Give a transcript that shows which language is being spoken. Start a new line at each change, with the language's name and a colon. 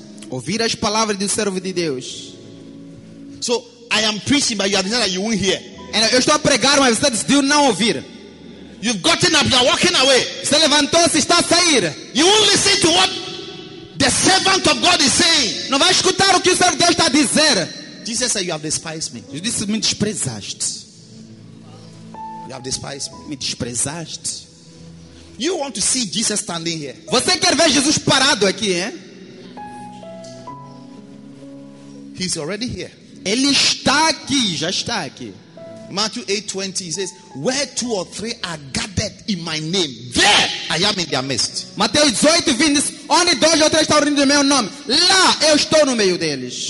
Portuguese: Ouvir as palavras do servo de Deus.
English: So I am preaching, but you are not that you won't hear.
Portuguese: And eu estou a pregar, mas você decidiu não ouvir.
English: You've gotten up, you're walking away.
Portuguese: Você levantou-se e está a sair.
English: You won't listen to what the servant of God is saying.
Portuguese: Não vai escutar o que o servo de Deus está a dizer.
English: Jesus said, you have despised me.
Portuguese: Jesus disse, me desprezaste.
English: You have despised me.
Portuguese: Me desprezaste.
English: You want to see Jesus standing here?
Portuguese: Você quer ver Jesus parado aqui, hein?
English: He's already here.
Portuguese: Ele está aqui, já está aqui.
English: Matthew 8:20 says, where two or three are gathered in my name, there I am in their midst.
Portuguese: Mateus 18:20 diz, onde dois ou três estão reunidos em meu nome, lá eu estou no meio deles.